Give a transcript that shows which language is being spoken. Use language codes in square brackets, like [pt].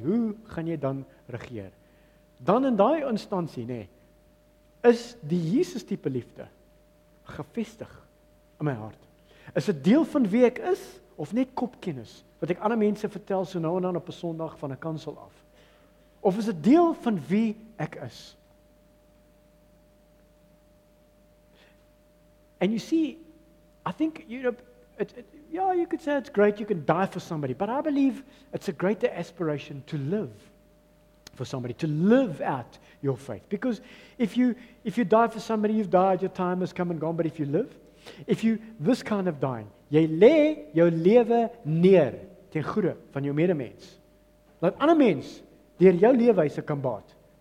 [af] Hoe gaan jy dan regeer? Dan in daai instansie, nê, is die Jesus tipe liefde gevestig in my hart. Is dit deel van wie ek is of net kopkennis wat ek ander mense vertel so nou en dan op 'n Sondag van 'n kansel af? Of is dit deel van wie ek is? [en] And you see, I think, you know, yeah, you could say it's great, you can die for somebody, but I believe it's a greater aspiration to live for somebody, to live out your faith. Because if you die for somebody, you've died, your time has come and gone, but if you, this kind of dying, [af] jy lê jou lewe neer ten goede van jou medemens, laat ander mens deur jou lewenswyse kan baat.